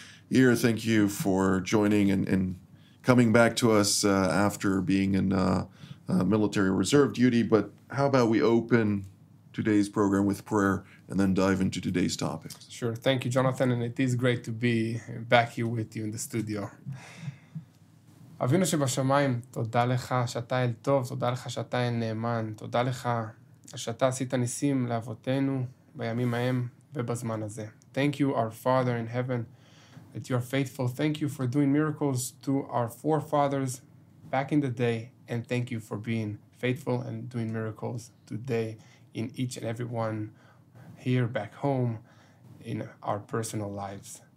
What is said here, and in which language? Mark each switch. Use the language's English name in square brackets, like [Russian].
[English] Yair, thank you for joining and coming back to us after being in military reserve duty. But how about we open today's program with prayer and then dive into today's topic? Sure. Thank you, Jonathan. And it is great to be back here with you in the studio. [Hebrew] אבינו שבשמיים, תודה לך שאתה אל טוב, תודה לך שאתה אל נאמן, תודה לך שאתה עשית ניסים לאבותינו בימים ההם ובזמן הזה. [English] Thank you, our Father in heaven, that you are faithful. Thank you for doing miracles to our forefathers back in the day, and thank you for being faithful and doing miracles today in each and every one here back home in our personal lives.